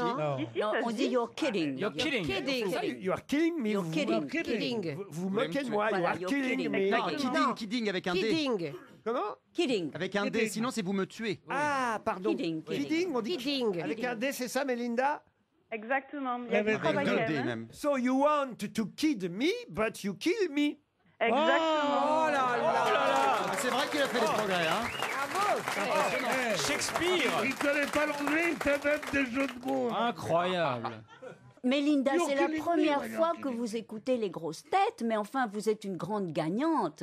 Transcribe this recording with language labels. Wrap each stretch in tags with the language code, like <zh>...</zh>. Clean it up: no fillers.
<fr>Non. On dit</fr> <en>you're kidding. You are killing me. You're kidding.</en> <fr>Vous moquez de moi. Voilà,</fr> <en>you're killing me.</en> <fr>Kidding avec un D.</fr> <en>Kidding.</en> <fr>Comment?</fr> <en>Kidding.</en> <fr>Avec un</fr> <en>kidding.</en> <fr>D. Sinon c'est vous me tuez. Ah pardon.</fr> <en>Kidding.</en> <fr>Kidding. On dit</fr> <en>kidding.</en> <fr>Avec un D, c'est ça, Mélinda? Exactement. Il y a une troisième. Même.</fr> <en>So you want to kid me, but you kill me.</en> <fr>Exactement. Oh là là, oh là, là. C'est vrai qu'il a fait des progrès, hein. Shakespeare. Il ne connaît pas l'anglais, il fait même des jeux de mots. Incroyable. Mélinda, c'est la première fois que vous écoutez les grosses têtes, mais enfin, vous êtes une grande gagnante.</fr>